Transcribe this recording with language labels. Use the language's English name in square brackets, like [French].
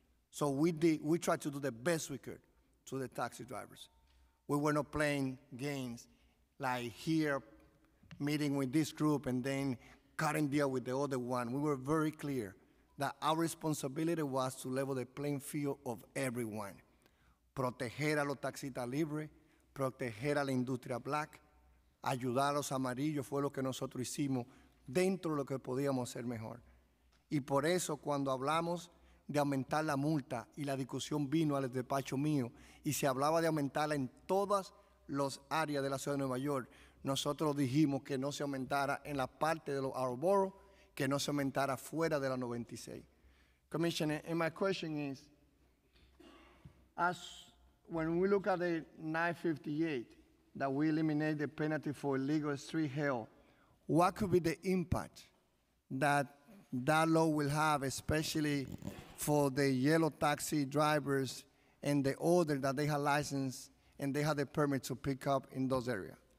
[English] So we tried to do the best we could to the taxi drivers. We were not playing games like here, meeting with this group and then cutting deal with the other one. We were very clear that our responsibility was to level the playing field of everyone. [Spanish] Proteger a los taxistas libres, proteger a la industria black, ayudar a los amarillos fue lo que nosotros hicimos dentro de lo que podíamos hacer mejor. Y por eso cuando hablamos de aumentar la multa y la discusión vino al despacho mío y se hablaba de aumentarla en todas las áreas de la ciudad de Nueva York, nosotros dijimos que no se aumentara en la parte de los outerboro, que no se aumentara fuera de la 96. [English] Commissioner, and my question is, as when we look at the 958, that we eliminate the penalty for illegal street hail, what could be the impact that law will have, especially for the yellow taxi drivers and the other that they have license and they have the permit to pick up in those areas?